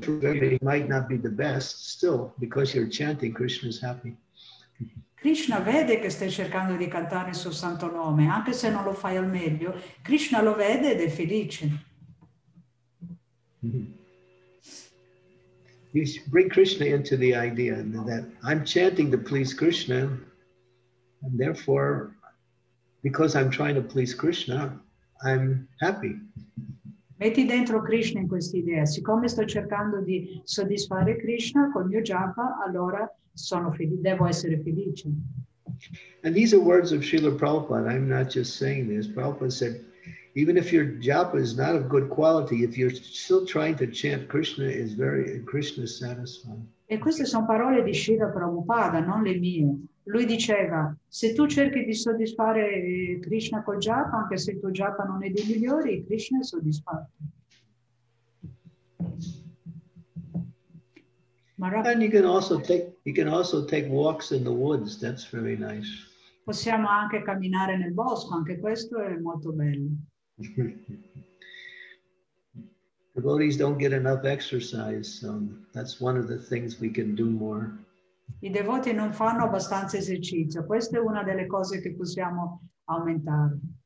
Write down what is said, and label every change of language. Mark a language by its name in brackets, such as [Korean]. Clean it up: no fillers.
[English] It might not be the best still, because you're chanting, Krishna is happy. [Italian] Krishna vede che stai cercando di cantare il suo santo nome, anche se non lo fai al meglio. Krishna lo vede ed è felice. Mm-hmm. [English] You bring Krishna into the idea that I'm chanting to please Krishna, and therefore... Because I'm trying to please Krishna, I'm happy. [Italian] Metti dentro Krishna in questa idea. Siccome sto cercando di soddisfare Krishna col mio japa, allora sono devo essere felice. [English] And these are words of Srila Prabhupada. I'm not just saying this. Prabhupada said, even if your japa is not of good quality, if you're still trying to chant, Krishna is satisfied. [Italian] E queste sono parole di Srila Prabhupada, non le mie. Lui diceva, se tu cerchi di soddisfare Krishna col japa, anche se il tuo japa non è dei migliori, Krishna è soddisfatto. [English] And you can also take walks in the woods. That's very nice. [Italian] Possiamo anche camminare nel bosco. Anche questo è molto bello. [English] Devotees don't get enough exercise. So that's one of the things we can do more. [Italian] I devoti non fanno abbastanza esercizio. Questa è una delle cose che possiamo aumentare.